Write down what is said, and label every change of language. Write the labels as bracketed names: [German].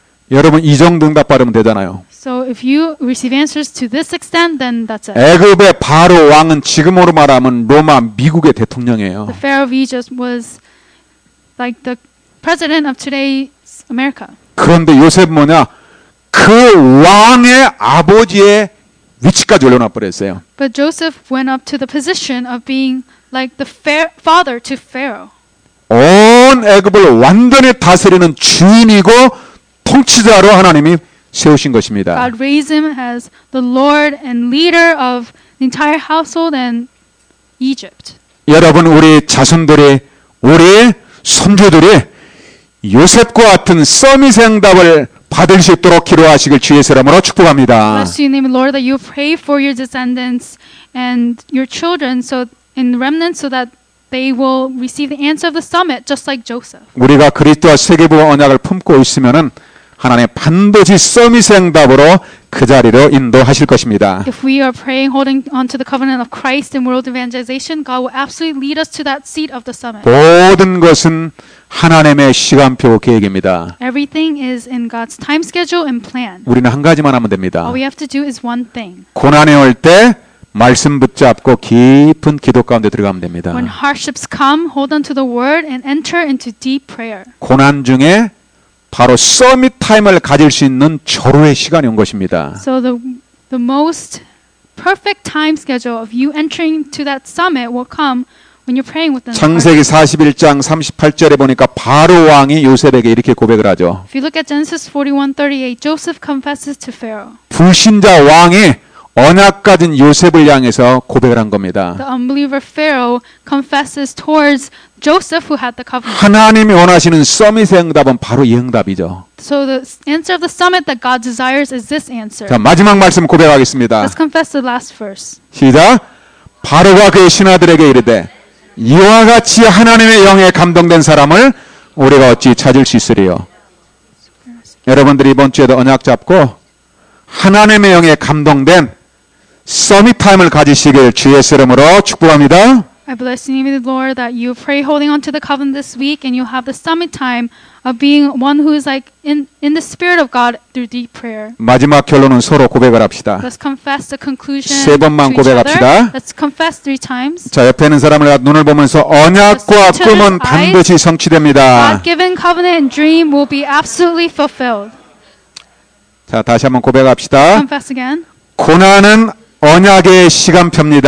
[Korean] 여러분 이 정도 응답 받으면 되잖아요. [English] So if you receive answers to this extent, then that's it. [Korean] 애굽의 바로 왕은 지금으로 말하면 로마 미국의 대통령이에요. [English] The Pharaoh of Egypt was like the President of today's America. [Korean] 그런데 요셉 뭐냐? 그 왕의 아버지의 위치까지 올려놔버렸어요. [English] But Joseph went up to the position of being like the father to Pharaoh. [Korean] 온 애굽을 완전히 다스리는 주인이고 통치자로 하나님이 세우신 것입니다. [English] God raised him as the Lord and leader of the entire household and Egypt. [Korean] 여러분 우리 자손들이 우리 선조들이 요셉과 같은 서밋 응답을 받을 수 있도록 기도하시길 주의 이름으로 축복합니다. [English] Bless you in the name of the Lord that you pray for your descendants and your children so in the remnant so that they will receive the answer of the summit just like Joseph. [Korean] 우리가 그리스도와 세계복음 언약을 품고 있으면은 하나님 반드시 서밋 응답으로 그 자리로 인도하실 것입니다. [English] If we are praying holding on to the covenant of Christ in world evangelization, God will absolutely lead us to that seat of the summit. [Korean] 모든 것은 하나님의 시간표 계획입니다. [English] Everything is in God's time schedule and plan. [Korean] 우리는 한 가지만 하면 됩니다. [English] All we have to do is one thing. [Korean] 고난이 올 때 말씀 붙잡고 깊은 기도 가운데 들어가면 됩니다. [English] When hardships come, hold on to the word and enter into deep prayer. [Korean] 고난 중에 바로 서밋 타임을 가질 수 있는 절호의 시간이 온 것입니다. [English] So the most perfect time schedule of you entering to that summit will come When you're praying with them. [Korean] 창세기 41장 38절에 보니까 바로 왕이 요셉에게 이렇게 고백을 하죠. [English] If you look at Genesis 41:38, Joseph confesses to Pharaoh. [Korean] 불신자 왕이 언약 가진 요셉을 향해서 고백을 한 겁니다. [English] The unbeliever Pharaoh confesses towards Joseph who had the covenant. [Korean] 하나님이 원하시는 서밋의 응답은 바로 이 응답이죠. [English] So the answer of the summit that God desires is this answer. [Korean] 자, 마지막 말씀 고백하겠습니다. [English] Let's confess the last verse. [Korean] 시작. 바로가 그의 신하들에게 이르되 이와 같이 하나님의 영에 감동된 사람을 우리가 어찌 찾을 수 있으리요. 여러분들이 이번 주에도 언약 잡고 하나님의 영에 감동된 서밋 타임을 가지시길 주의 이름으로 축복합니다. [English] I bless you, the Lord, that you pray holding on to the covenant this week and you have the summit time of being one who is like in the spirit of God through deep prayer. [Korean] 마지막 결론은 서로 고백을 합시다. [English] Let's confess the conclusion. [Korean] 세 번만 고백합시다. [English] Let's confess three times. [Korean] 자, 옆에 있는 사람을 눈을 보면서 언약과 꿈은 반드시 성취됩니다. [English] God-given covenant and dream will be absolutely fulfilled. [Korean] 자, 다시 한번 고백합시다. [English] Confess again. [Korean] 고난은 언약의 시간표입니다.